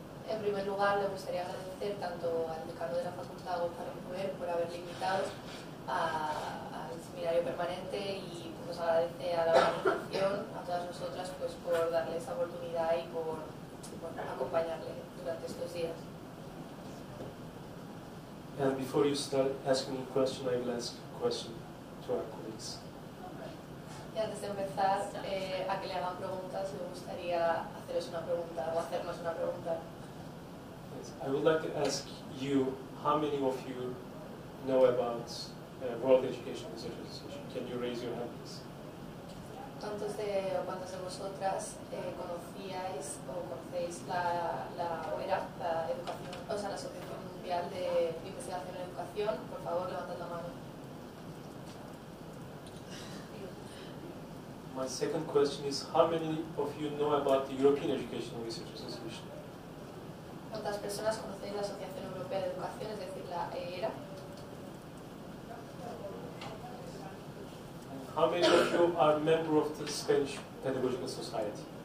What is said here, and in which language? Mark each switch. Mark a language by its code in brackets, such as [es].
[es] En primer lugar, le gustaría agradecer tanto al decano de la Facultad, Gonzalo Mujer, por haberle invitado al seminario permanente, y pues agradece a la organización, a todas nosotras, pues por darle esa oportunidad y por acompañarle durante estos días. [en] And before you start asking a question, I will ask a question to our colleagues. [es] Y antes de empezar, a que le hagan preguntas, me gustaría hacernos una pregunta. [en] I would like to ask you, how many of you know about World Education Research Association? Can you raise your hand, please? [es] ¿Cuántos de vosotras conocíais o conocéis la OERA, la educación, o sea, la Asociación Mundial de Investigación en Educación? Por favor, levantad la mano. [en] My second question is, how many of you know about the European Education Research Association? [es] ¿Cuántas personas conocéis la Asociación Europea de Educación, es decir, la EERA? [en] How many of you are a member of the Spanish Pedagogical Society?